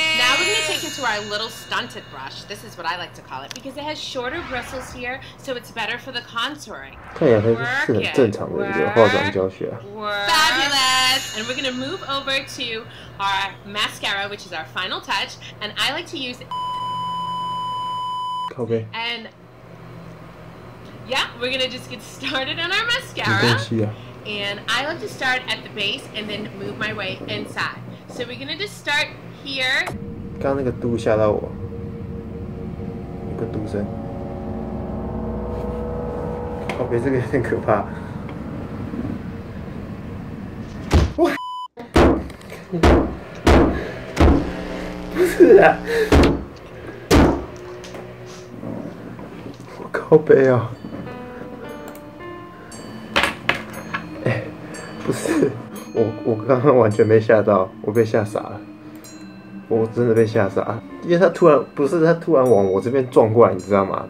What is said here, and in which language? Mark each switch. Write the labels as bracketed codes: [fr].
[en] Now we're gonna take it to our little stunted brush. This is what I like to call it. Because it has shorter bristles here, so it's better for the contouring. [zh] 看起来是很正常的一个化妆教学。 [en] Fabulous! And we're gonna move over to our mascara, which is our final touch. And I like to use... Okay. And yeah, we're gonna just get started on our mascara. And I like to start at the base and then move my way inside. So we're gonna just start here. [zh] 刚那个嘟吓到我，一个嘟声。靠北，这个有点可怕。不是啊，我靠北啊，欸，不是，我刚刚完全被吓到，我被吓傻了，我真的被吓傻，因为他突然不是他突然往我这边撞过来，你知道吗？